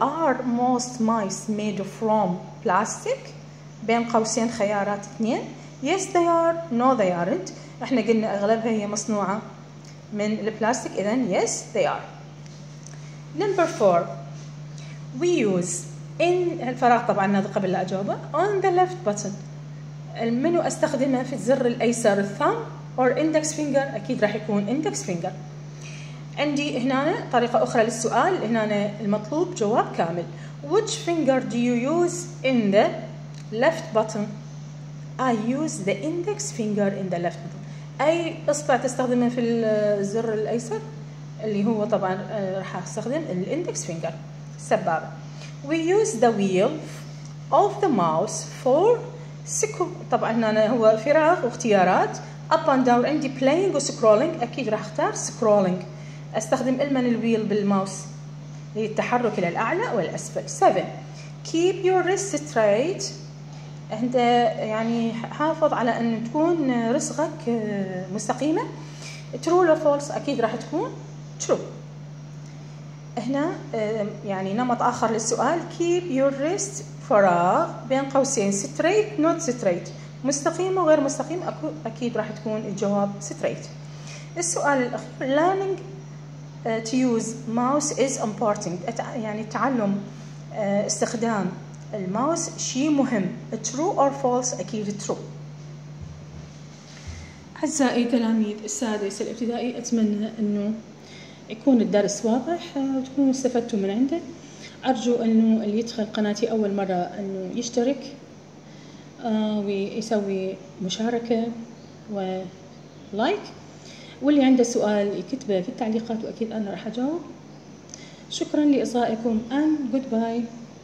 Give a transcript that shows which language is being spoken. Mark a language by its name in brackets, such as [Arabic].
[English] Are most mice made from plastic؟ بين قوسين خيارات اثنين. Yes they are. No they aren't. [Arabic] احنا قلنا أغلبها هي مصنوعة من البلاستيك، إذن yes they are. [English] Number four. [Arabic] We use إن الفراغ طبعا هذا قبل لا أجوبه. [English] On the left button. [Arabic] المنو أستخدمه في الزر الأيسر thumb or index finger؟ أكيد راح يكون index finger. عندي هنا طريقة أخرى للسؤال، هنا المطلوب جواب كامل. [English] Which finger do you use in the left button؟ I use the index finger in the left button. [Arabic] أي إصبع تستخدمه في الزر الأيسر؟ اللي هو طبعا راح أستخدم ال index finger. سبابة. [English] We use the wheel of the mouse for scroll. [Arabic] طبعا هنا هو فراغ واختيارات. Up and down. عندي playing و scrolling. أكيد راح أختار scrolling. أستخدم المن الويل بالماوس للتحرك إلى الأعلى والأسفل. [English] 7. Keep your wrist straight. [Arabic] أنت يعني حافظ على أن تكون رسغك مستقيمة. [English] True or false. [Arabic] أكيد راح تكون true. هنا يعني نمط آخر للسؤال. [English] Keep your wrist فراغ بين قوسين straight not straight. [Arabic] مستقيم وغير مستقيم أكيد راح تكون الجواب straight. السؤال الأخير. [English] Learning to use mouse is important. [Arabic] يعني تعلم استخدام الماوس شيء مهم. [English] True or false؟ أكيد true. [Arabic] أعزائي تلاميذ السادس الابتدائي، أتمنى أنه يكون الدرس واضح وتكونوا استفدتوا من عنده. أرجو أنه اللي يدخل قناتي أول مرة أنه يشترك ويسوي مشاركة ولايك، واللي عنده سؤال يكتبه في التعليقات وأكيد أنا راح أجاوب. شكرا لإصغائكم and goodbye.